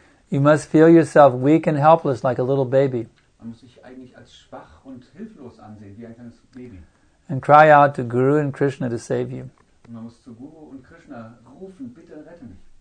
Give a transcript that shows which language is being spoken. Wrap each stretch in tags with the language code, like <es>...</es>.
<en>You must feel yourself weak and helpless like a little baby.</en> <de>Man muss sich eigentlich als schwach und hilflos ansehen, wie ein kleines Baby.</de> <en>And cry out to Guru and Krishna to save you.</en> <de>Man muss zu Guru und Krishna rufen, bitte rette mich.</de>